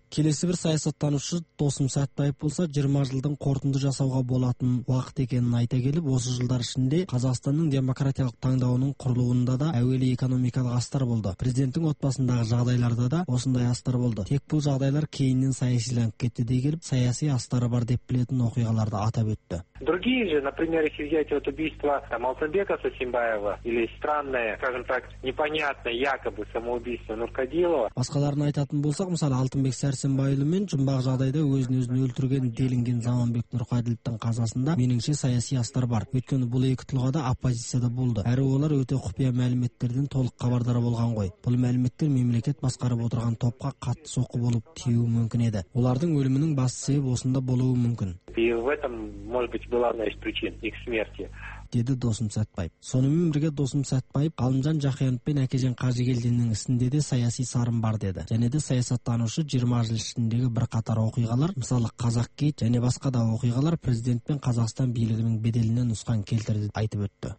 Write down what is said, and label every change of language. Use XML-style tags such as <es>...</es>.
<kk>Келесі бір саясаттанушы Досым Сәтбаев болса, 20 жылдың қорытынды жасауға болатын уақыт екенін айта келіп, осы жылдар ішінде Қазақстанның демократиялық таңдауының құрылуында да әуелі экономикалық астар болды. Президенттің отбасындағы жағдайларда да осындай астар болды. Тек бұл жағдайлар кейіннен саясиленіп кетті дей келіп, саяси астары бар деп білетін оқиғаларды атап өтті.</kk> <ru>Другие же, например, если взять вот убийство там Алтынбека Сәрсенбаева или странное, скажем так, непонятное якобы самоубийство Нұрқадилова.</ru> <kk>Басқаларын айтатын болсақ, мысалы, Алтынбек Сәрсенбайұлы мен жұмбақ жағдайда өзін-өзін өлтірген делінген Заманбек Нұрқаділовтің қазасында меніңше саяси астар бар. Өйткені бұл екі тұлға да оппозицияда болды. Әрі олар өте құпия мәліметтерден толық хабардар болған ғой. Бұл мәліметтер мемлекет басқарып отырған топқа қатты соққы болып тиюі мүмкін еді. Олардың өлімінің бас себебі осында болуы мүмкін.</kk> <ru>Была одна из причин их смерти.</ru> <kk>Деді Досым Сәтбаев. Сонымен бірге Досым Сәтбаев Қалымжан Жақиянов пен Әкежен Қажыгелдиннің ісінде де саяси сарын бар деді. Және де саясаттанушы 20 жыл ішіндегі бірқатар оқиғалар, мысалы Қазақ-Кей және басқа да оқиғалар президент пен Қазақстан билігінің беделіне нұсқан келтірді айтып өтті.</kk>